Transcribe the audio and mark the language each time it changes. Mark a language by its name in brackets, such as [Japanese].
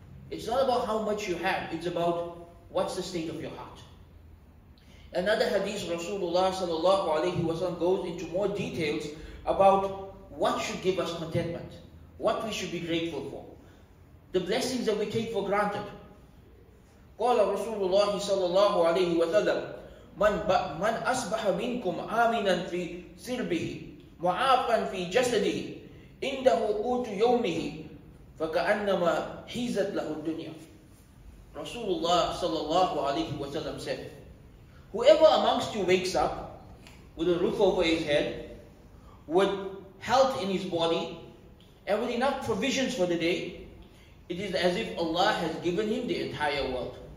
[English] It's not about how much you have, it's about what's the state of your heart. Another hadith, Rasulullah sallallahu alayhi wa sallam goes into more details about what should give us contentment, what we should be grateful for, the blessings that we take for granted. [Arabic] قال رسول الله صلى الله عليه وسلم من أصبح منكم آمنا في سربه معافا في جسده عنده قوت يومه فكأنما حيزت له الدنيا. رسول الله صلى الله عليه وسلم [English] said, whoever amongst you wakes up with a roof over his head, with health in his body, and with enough provisions for the day, it is as if Allah has given him the entire world.